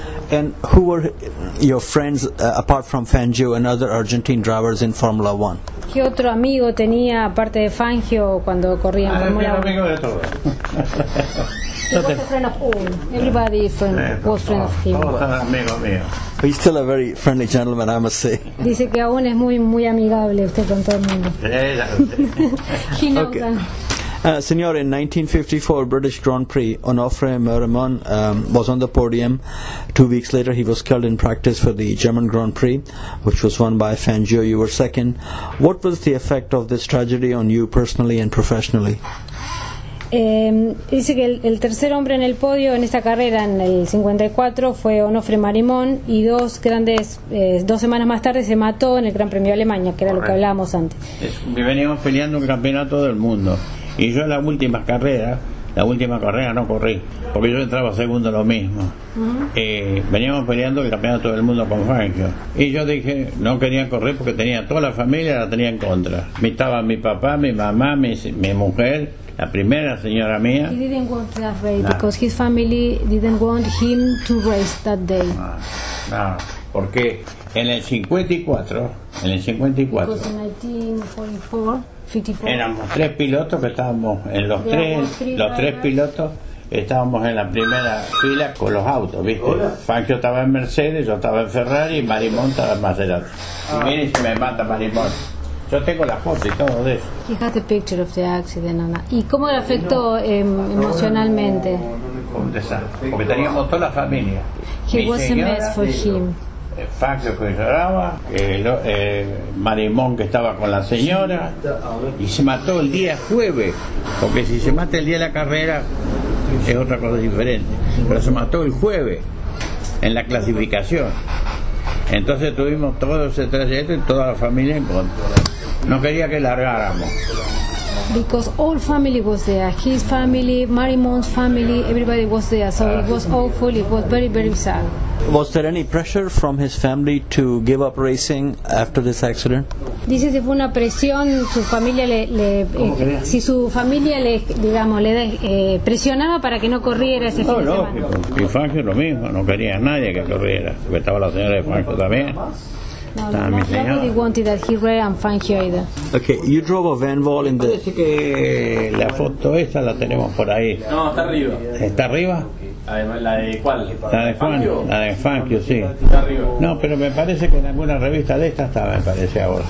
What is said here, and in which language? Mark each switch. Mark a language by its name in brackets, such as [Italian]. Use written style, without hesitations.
[English] And who were your friends apart from Fangio and other Argentine drivers in Formula 1? [Spanish] ¿Qué otro amigo tenía aparte de Fangio cuando corría en Formula 1? Era amigo de todos. [English] He was a friend of all. Everybody was friend of him. [Spanish] Todos eran amigos míos. [English] He's still a very friendly gentleman, I must say. [Spanish] Dice que aún es muy muy amigable usted con todo el mundo. [English] He knows okay. Señor, in 1954 British Grand Prix, Onofre Mermon was on the podium. 2 weeks later, he was killed in practice for the German Grand Prix, which was won by Fangio. You were second. What was the effect of this tragedy on you personally and professionally? [Spanish] Dice que el tercer hombre en el podio en esta carrera en el 54 fue Onofre Marimón y dos semanas más tarde se mató en el Gran Premio de Alemania, que era lo que hablábamos antes. Veníamos peleando un campeonato del mundo. Y yo en la última carrera no corrí, porque yo entraba segundo lo mismo. Uh-huh. Veníamos peleando el campeonato del mundo con Fangio. Y yo dije, no quería correr porque tenía toda la familia, la tenía en contra. Estaba mi papá, mi mamá, mi mujer, la primera señora mía. [English] He didn't want that race because his family didn't want him to race that day. [Spanish] No, porque en el 54, en el 54. [English] Because in 1944. 54. [Spanish] Éramos tres pilotos que estábamos en los tres, los tres pilotos estábamos en la primera fila con los autos, ¿viste? Fangio estaba en Mercedes, yo estaba en Ferrari y Marimón estaba en Maserati. Miren si me mata Marimón. Yo tengo la foto y todo de eso. He has the picture of the accident, Ana. ¿Y cómo le afectó emocionalmente? Un desastre, porque teníamos toda la familia. He was a mess for him. Fangio que lloraba, Marimón que estaba con la señora, y se mató el día jueves, porque si se mata el día de la carrera es otra cosa diferente, pero se mató el jueves en la clasificación. Entonces tuvimos todo ese trayecto y toda la familia en contra. No quería que largáramos. [English] Because all family was there, his family, Marimón's family, everybody was there, so it was awful, it was very, very sad. Was there any pressure from his family to give up racing after this accident? [Spanish] Dice si fue una presión su familia le si su familia le digamos le presionaba para que no corriera ese fin de semana. Y Fangio lo mismo, no quería nadie que corriera, porque estaba la señora de Fangio también. [English] Nobody wanted that he ran and Fangio either. Okay, you drove a van wall in the. [Spanish] Parece que la foto esa la tenemos por ahí. No, está arriba. ¿Está arriba? ¿La de cuál? La de Fangio, sí. Está arriba. No, pero me parece que en alguna revista de esta está, me parece ahora.